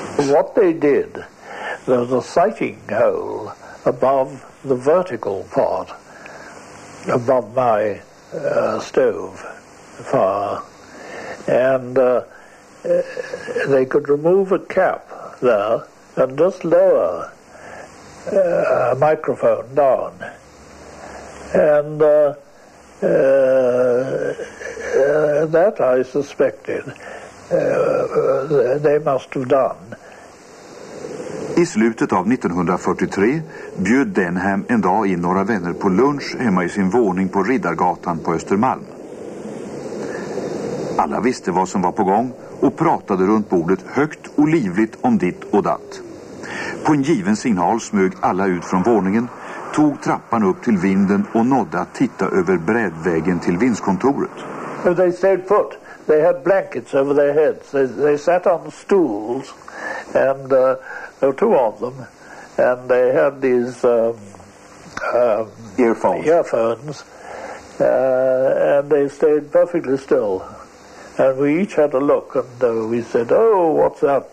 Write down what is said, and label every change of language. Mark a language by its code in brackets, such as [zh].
[en] What they did, there was a sighting hole above the vertical part, above my stove fire, and they could remove a cap there and just lower a microphone down. And that, I suspected, they must have done. [sv] I slutet av 1943 bjöd Denham en dag in några vänner på lunch hemma i sin våning på Riddargatan på Östermalm. Alla visste vad som var på gång och pratade runt bordet högt och livligt om ditt och datt. På en given signal smög alla ut från våningen, tog trappan upp till vinden och nådde att titta över brädvägen till vindskontoret. [en] They stayed put. They had blankets over their heads. They sat on stools and there were two of them, and they had these earphones, and they stayed perfectly still. And we each had a look, and we said, "Oh, what's that?"